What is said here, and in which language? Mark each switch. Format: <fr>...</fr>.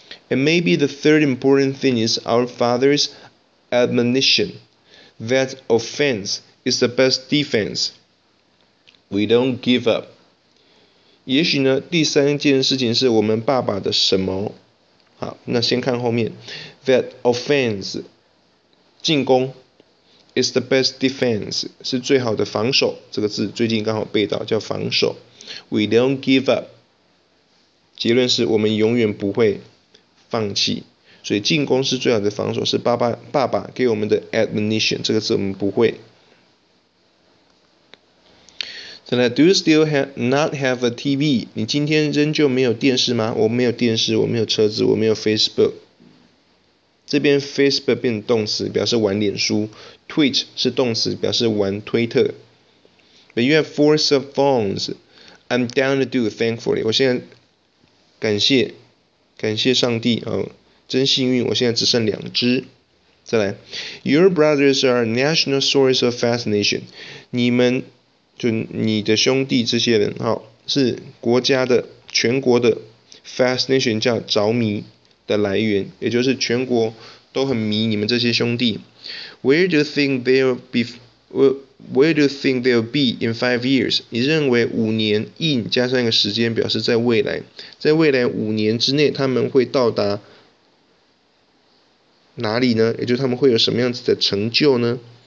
<en>And maybe the third important thing is our father's admonition that offense is the best defense. We don't give up。</en> <zh>也许呢，第三件事情是我们爸爸的什么？好，那先看后面 ，</zh> <en>that offense。</en> <zh>进攻</zh> <en>is the best defense，</en> <zh>是最好的防守。这个字最近刚好背到，叫防守。</zh> <en>We don't give up，</en> <zh>结论是我们永远不会放弃。所以进攻是最好的防守，是爸爸给我们的 admonition。这个字我们不会。</zh> <en>So now, do you still not have a TV？</en> <zh>你今天仍旧没有电视吗？我没有电视，我没有车子，我没有 Facebook。这边 Facebook 变动词，表示玩脸书 ；Twitch 是动词，表示玩推特。</zh> <en>But you have four cell phones. I'm down to do thankfully.</en> <zh>我现在感谢上帝啊、真幸运，我现在只剩两只。</zh> <en>再来 ，Your brothers are a national source of fascination.</en> <zh>你们就你的兄弟这些人哈、是国家的全国的 fascination 叫着迷。的来源，也就是全国都很迷你们这些兄弟。</zh> <en>Where do you think they'll be in 5 years？</en> <zh>你认为五年 in 加上一个时间，表示在未来，在未来五年之内他们会到达哪里呢？也就是他们会有什么样子的成就呢</zh>